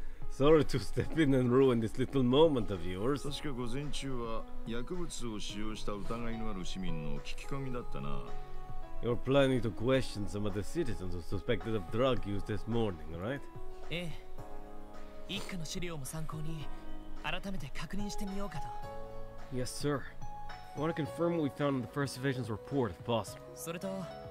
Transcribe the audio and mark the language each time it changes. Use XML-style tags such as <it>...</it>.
<en>Sorry to step in and ruin this little moment of yours.</en> <ja>確か午前中は薬物を使用した疑いのある市民の聞き込みだったな。</ja> <en>You're planning to question some of the citizens suspected of drug use this morning, right?</en> <ja>ええ。一課の資料も参考に改めて確認してみようかと。</ja> <en>Yes, sir. I want to confirm what we found in the first division's report, if possible.</en>